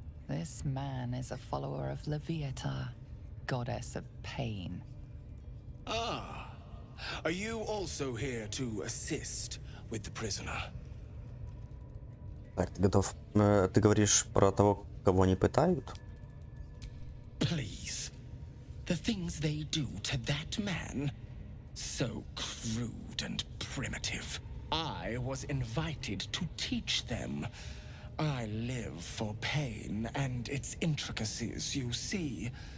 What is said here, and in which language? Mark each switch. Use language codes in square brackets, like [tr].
[en] This man is a follower of Leviatar, goddess of pain. Ah. Are you also here to assist with the prisoner? [ru] Так, ты готов? Ты говоришь про того, кого они пытают? [en] Please. The things they do to that man, so crude and primitive. I was invited to teach them. I live for pain and its intricacies, you see.